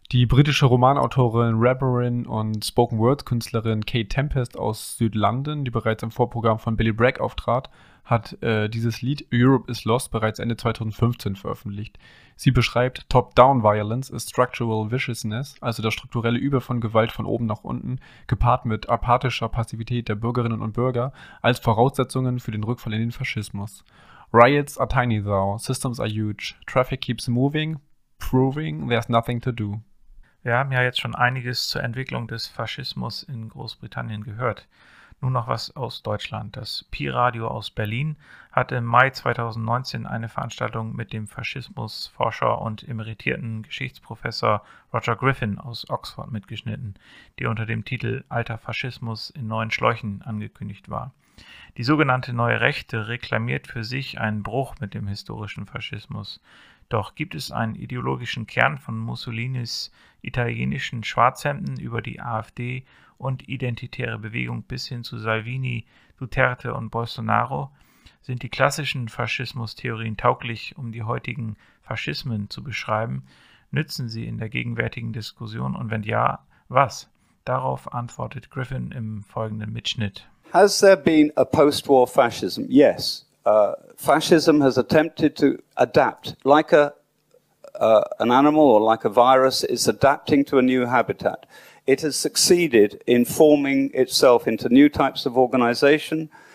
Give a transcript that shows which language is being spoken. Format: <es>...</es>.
<de>Die britische Romanautorin, Rapperin und Spoken-Word-Künstlerin Kate Tempest aus Südlondon, die bereits im Vorprogramm von Billy Bragg auftrat, hat dieses Lied Europe is Lost bereits Ende 2015 veröffentlicht. Sie beschreibt,</de> <en>Top-Down-Violence is structural viciousness,</en> <de>also das strukturelle Übel von Gewalt von oben nach unten, gepaart mit apathischer Passivität der Bürgerinnen und Bürger, als Voraussetzungen für den Rückfall in den Faschismus.</de> <en>Riots are tiny though, systems are huge, traffic keeps moving, proving there's nothing to do.</en> <de>Wir haben ja jetzt schon einiges zur Entwicklung des Faschismus in Großbritannien gehört. Nun noch was aus Deutschland. Das Pi-Radio aus Berlin hat im Mai 2019 eine Veranstaltung mit dem Faschismusforscher und emeritierten Geschichtsprofessor Roger Griffin aus Oxford mitgeschnitten, die unter dem Titel Alter Faschismus in neuen Schläuchen angekündigt war. Die sogenannte Neue Rechte reklamiert für sich einen Bruch mit dem historischen Faschismus. Doch gibt es einen ideologischen Kern von Mussolinis italienischen Schwarzhemden über die AfD und identitäre Bewegung bis hin zu Salvini, Duterte und Bolsonaro? Sind die klassischen Faschismustheorien tauglich, um die heutigen Faschismen zu beschreiben? Nützen sie in der gegenwärtigen Diskussion? Und wenn ja, was? Darauf antwortet Griffin im folgenden Mitschnitt.</de> <en>Has there been a post-war fascism? Yes. Fascism has attempted to adapt. Like an animal or like a virus, it's adapting to a new habitat. It has succeeded in forming itself into new types of organization.</en>